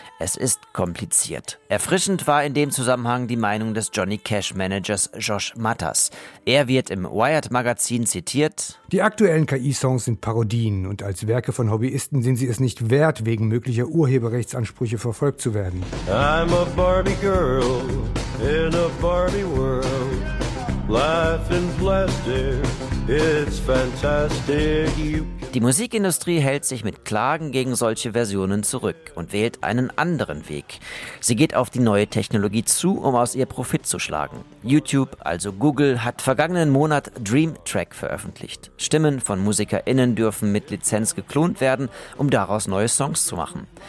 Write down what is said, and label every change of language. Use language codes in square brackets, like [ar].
[de] Es ist kompliziert. Erfrischend war in dem Zusammenhang die Meinung des Johnny Cash-Managers Josh Mattas. Er wird im Wired-Magazin zitiert: Die aktuellen KI-Songs sind Parodien und als Werke von Hobbyisten sind sie es nicht wert, wegen möglicher Urheberrechtsansprüche verfolgt zu werden. [en] I'm a Barbie girl in a Barbie world, life in plastic, it's fantastic. [de] Die Musikindustrie hält sich mit Klagen gegen solche Versionen zurück und wählt einen anderen Weg. Sie geht auf die neue Technologie zu, um aus ihr Profit zu schlagen. YouTube, also Google, hat vergangenen Monat Dream Track veröffentlicht. Stimmen von MusikerInnen dürfen mit Lizenz geklont werden, um daraus neue Songs zu machen.